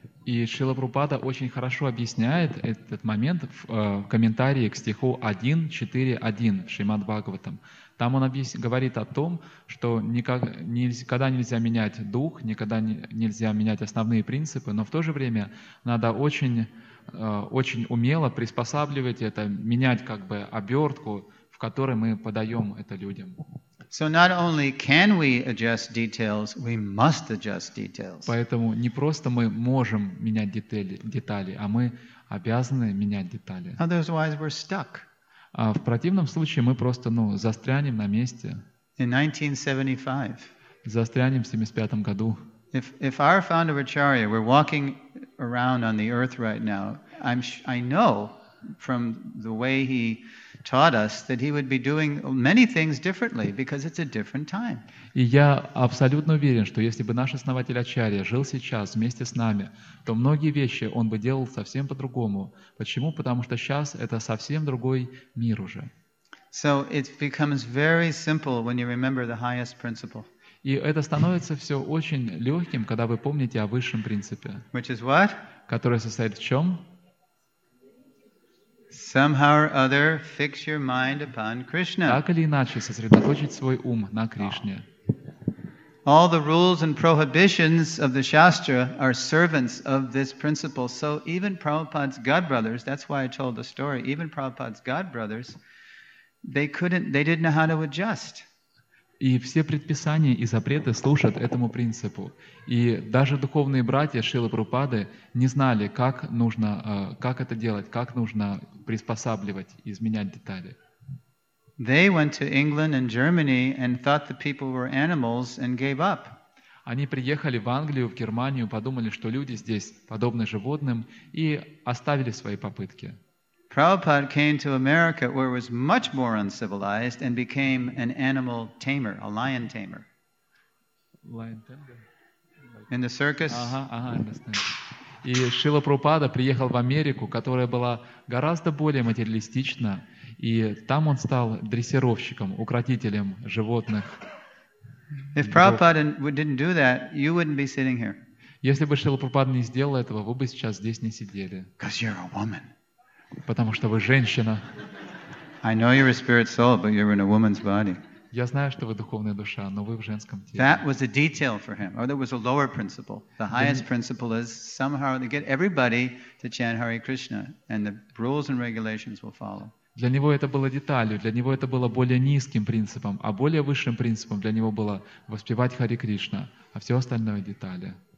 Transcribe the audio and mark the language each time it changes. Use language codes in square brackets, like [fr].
[ru] И Шрила Прабхупада очень хорошо объясняет этот момент в комментарии к стиху 1.4.1 в Шримад Бхагаватам. Там он говорит о том, что никогда нельзя менять дух, никогда нельзя менять основные принципы, но в то же время надо очень умело приспосабливать это, менять как бы обертку, в которой мы подаем это людям. [en] So not only can we adjust details, we must adjust details. [ru] Поэтому не просто мы можем менять детали, а мы обязаны менять детали. [en] Otherwise we're stuck. [ru] А в противном случае мы просто, ну, застрянем на месте. [en] In 1975. [ru] Застрянем в 75-м году. [en] If our founder Acharya were walking around on the earth right now, I know from the way he taught us that he would be doing many things differently because it's a different time. [ru] И я абсолютно уверен, что если бы наш основатель Ачарья жил сейчас вместе с нами, то многие вещи он бы делал совсем по-другому. Почему? Потому что сейчас это совсем другой мир уже. [en] So it becomes very simple when you remember the highest principle. [ru] И это становится все очень легким, когда вы помните о высшем принципе. [en] Which is what? [ru] Который состоит в чем? [en] Somehow or other, fix your mind upon Krishna. [ru] Так или иначе, сосредоточить свой ум на Кришне. [en] All the rules and prohibitions of the Shastra are servants of this principle. So even Prabhupada's godbrothers, that's why I told the story, even Prabhupada's godbrothers, they didn't know how to adjust. [ru] И все предписания и запреты служат этому принципу. И даже духовные братья Шрилы Прабхупады не знали, как нужно, как это делать, как нужно приспосабливать, изменять детали. [en] They went to England and Germany and thought the people were animals and gave up. [ru] Они приехали в Англию, в Германию, подумали, что люди здесь подобны животным, и оставили свои попытки. [en] Prabhupada came to America where it was much more uncivilized and became an animal tamer, a lion tamer. Lion tamer? In the circus? Ага, understand. [ru] И Шрила Прабхупада приехал в Америку, которая была гораздо более материалистична, и там он стал дрессировщиком, укротителем животных. [en] If Prabhupada didn't do that, you wouldn't be sitting here. [ru] Если бы Шрила Прабхупада не сделал этого, вы бы сейчас здесь не сидели. [en] Because you're a woman. [ru] Потому что вы женщина. [en] I know you're a spirit soul, but you're in a woman's body. [ru] Я знаю, что вы духовная душа, но вы в женском теле. [en] That was a detail for him, or that was a lower principle. The highest principle is somehow to get everybody to chant Hare Krishna, and the rules and regulations will follow. [ru] Для него это было деталью, для него это было более низким принципом, а более высшим принципом для него было воспевать Хари Кришна, а все остальное детали.